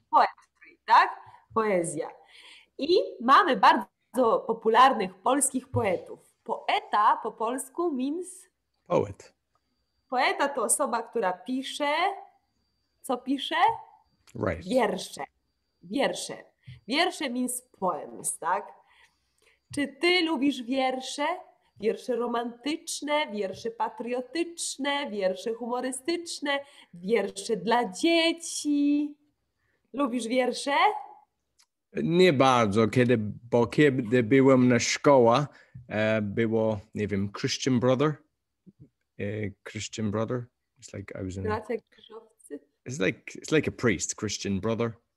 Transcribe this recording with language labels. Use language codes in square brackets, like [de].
[en] Poetry, [pl] tak? Poezja. I mamy bardzo popularnych polskich poetów. Poeta po polsku [en] means... Poet. [pl] Poeta to osoba, która pisze, co pisze? [en] Right. [pl] Wiersze. Wiersze. [en] Wiersze means poems, [pl] tak? Czy ty lubisz wiersze? Wiersze romantyczne, wiersze patriotyczne, wiersze humorystyczne, wiersze dla dzieci. Lubisz wiersze? Nie bardzo, bo kiedy byłem na szkoła, było, nie wiem, Christian Brother. [en] It's like I was in. It's like a priest, Christian Brother.